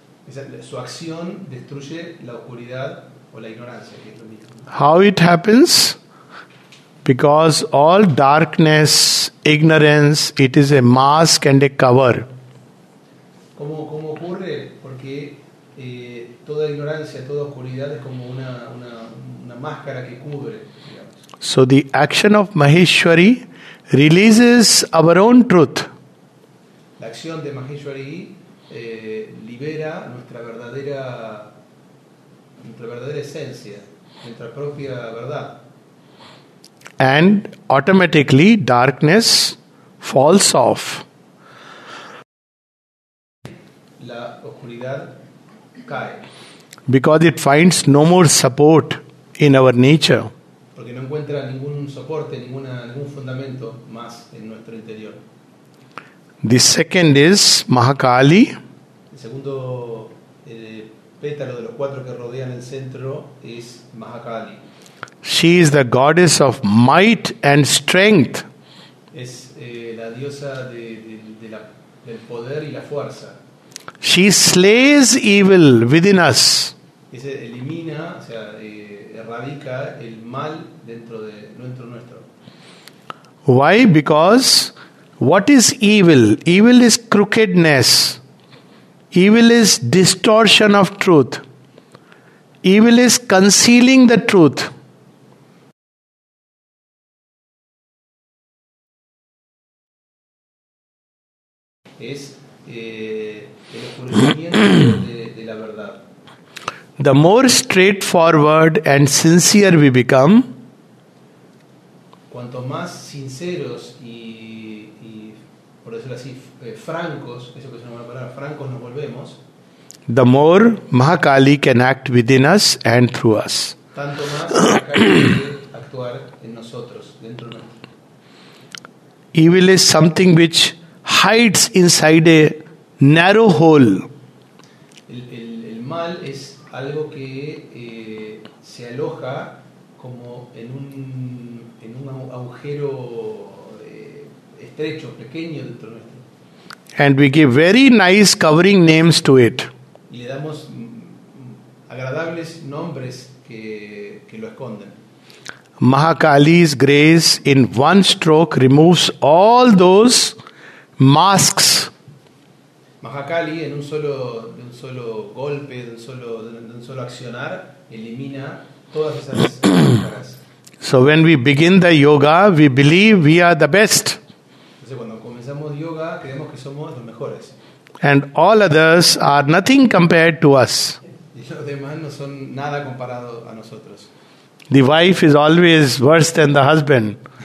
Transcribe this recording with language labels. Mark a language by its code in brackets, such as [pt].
[es] Su acción destruye la oscuridad o la ignorancia, que es lo mismo. [en] How it happens? Because all darkness, ignorance, it is a mask and a cover. [es] ¿Cómo ocurre? Porque toda ignorancia, toda oscuridad es como una máscara que cubre. [en] So the action of Maheshwari releases our own truth. [es] La acción de Maheshwari libera nuestra verdadera esencia, nuestra propia verdad. [en] And automatically darkness falls off. [es] La oscuridad cae. [en] Because it finds no more support in our nature. [es] Porque no encuentra ningún soporte, ningún fundamento más en nuestro interior. [en] The second is Mahakali. [es] El segundo pétalo de los cuatro que rodean el centro es Mahakali. [en] She is the goddess of might and strength. [es] Es la diosa del poder y la fuerza. [en] She slays evil within us. [es] Ese elimina, o sea, erradica el mal dentro nuestro. [en] Why? Because what is evil? Evil is crookedness. Evil is distortion of truth. Evil is concealing the truth. [es] Es el oscurecimiento de la verdad. [en] The more straightforward and sincere we become, [es] cuanto más sinceros y por decirlo así, francos, eso que se llama la palabra, francos nos volvemos, [en] the more Mahakali can act within us and through us. [es] Tanto más Mahakali puede actuar en nosotros, dentro de nosotros. [en] Evil is something which hides inside a narrow hole. [es] El mal es algo que se aloja como en un agujero estrecho, pequeño dentro nuestro. [en] And we give very nice covering names to it. [es] Y le damos agradables nombres que lo esconden. [en] Mahakali's grace in one stroke removes all those masks. [es] Mahakali en un solo golpe, de un solo accionar, elimina todas esas caras. [en] So when we begin the yoga, we believe we are the best. [es] Entonces, cuando comenzamos yoga, creemos que somos los mejores. [en] And all others are nothing compared to us. [es] Y los demás no son nada comparado a nosotros. [en] The wife is always worse than the husband.